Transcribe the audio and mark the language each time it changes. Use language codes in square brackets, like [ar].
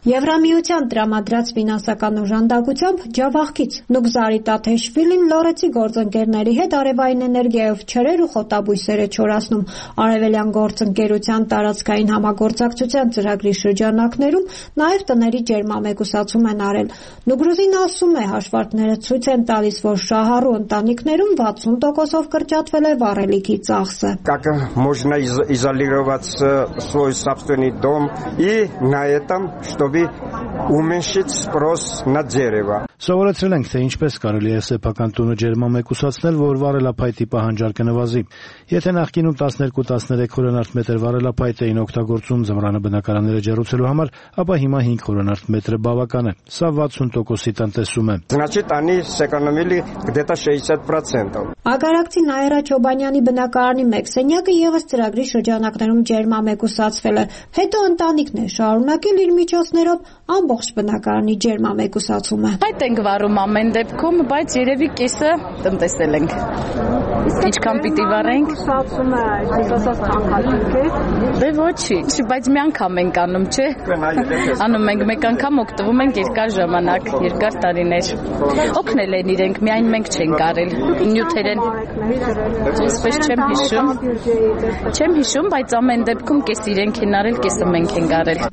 [hy] Եվրամիության տրամադրած ֆինանսական օժանդակությամբ Ջավախքից Նուկզարի Տաթեշվիլին Լորեցի գործընկերների հետ արևային էներգիայով չրեր ու խոտաբույսերը չորացնում Արևելյան Գործընկերության տարածքային համագործակցության ծրագրի շրջանակներում նաև տների ջերմամեկուսացում են արել։ Նուգրուզին ասում է, հաշվարկները ցույց են տալիս, որ շահառու ընտանիքներում 60%-ով կրճատվել է վառելիքի ծախսը։ [ru] Как можно изолировать свой собственный дом и на этом, чтобы уменьшить спрос на дерево? [hy] Սովորեցրել ենք, թե ինչպես կարելի է սեփական տունը ջերմամեկուսացնել, որ վառելափայտի պահանջարկը նվազի։ Եթե նախկինում 12-13 խորանարդ մետր վառելափայտ էին օգտագործում ձմռանը բնակարանները ջերուցելու համար, ապա հիմա 5 խորանարդ մետրը բավական է։ Սա 60%-ի տնտեսում է։ [ru] Значит, они сэкономили где-то 60%. [hy] Ագարակցի Նաիրա Չոբանյանի բնակարանի մեկ սենյակը ևս ծրագրի շրջանակներում ջերմամեկուսացվել է։ Հետո ընտանիքն է շարունակել իր միջոցներով ամբողջ բնակարանի ջերմամեկուսացումը։ Այդ ենք վարում ամեն դեպքում, բայց երևի կեսը տնտեսել ենք։ Ինչքան պիտի վարենք։ Դե ոչինչ, բայց մի անգամ ենք անում, չէ՞։ Անում ենք մեկ անգամ, օգտվում ենք երկար ժամանակ, երկար տարիներ։ Օգնել են իրենք, միայն մենք չենք արել։ Նյութեր են։ Այսպես չեմ հիշում։ Չեմ հիշում, բայց ամեն դեպքում կեսը իրենք են արել, կեսը մենք ենք արել։